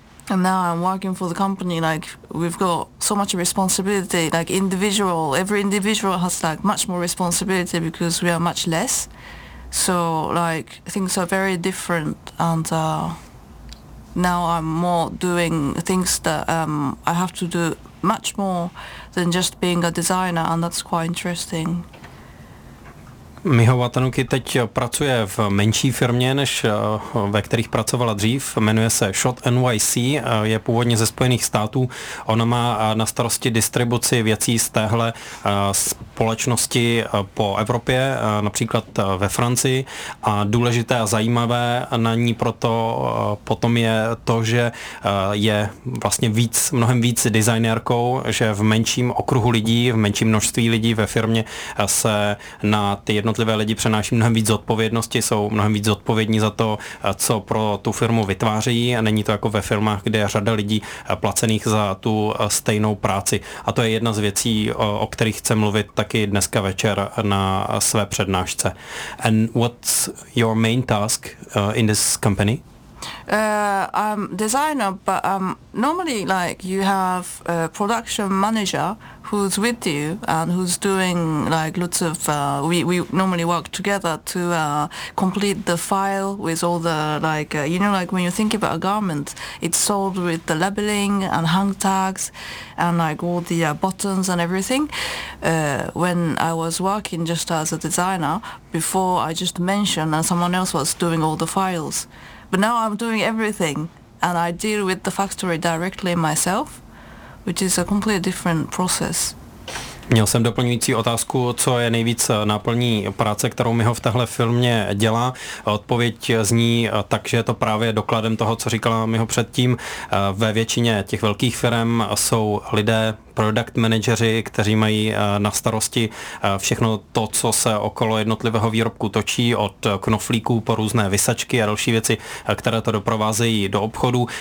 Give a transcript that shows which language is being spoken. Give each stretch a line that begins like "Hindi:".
English: And now I'm working for the company, like, we've got so much responsibility, like, individual, every individual has, like, much more responsibility because we are much less. So, like, things are very different, and now I'm more doing things that I have to do much more than just being a designer, and that's quite interesting.
Czech: Miho Watanuki teď pracuje v menší firmě, než ve kterých pracovala dřív. Jmenuje se Shot NYC, je původně ze Spojených států. Ona má na starosti distribuci věcí z téhle společnosti po Evropě, například ve Francii. A důležité a zajímavé na ní proto potom je to, že je vlastně víc, mnohem víc designérkou, že v menším okruhu lidí, v menším množství lidí ve firmě se na ty jednotlivé lidi přenáší mnohem víc zodpovědnosti, jsou mnohem víc zodpovědní za to, co pro tu firmu vytváří, a není to jako ve firmách, kde je řada lidí placených za tu stejnou práci. A to je jedna z věcí, o kterých chce mluvit taky dneska večer na své přednášce.
English: And what's your main task in this company? I'm designer, but normally like you have a production manager who's with you and who's doing like lots of we normally work together to complete the file with all the like you know, like when you think about a garment, it's sold with the labeling and hang tags and like all the buttons and everything. When I was working just as a designer before, I just mentioned and someone else was doing all the files. But now I'm doing everything, and I deal with the factory directly myself, which is a completely different process.
Czech: Měl jsem doplňující otázku, co je nejvíc náplní práce, kterou Miho v téhle firmě dělá. Odpověď zní tak, že je to právě dokladem toho, co říkala Miho předtím. Ve většině těch velkých firm jsou lidé, product manageri, kteří mají na starosti všechno to, co se okolo jednotlivého výrobku točí, od knoflíků po různé visačky a další věci, které to doprovázejí do obchodu.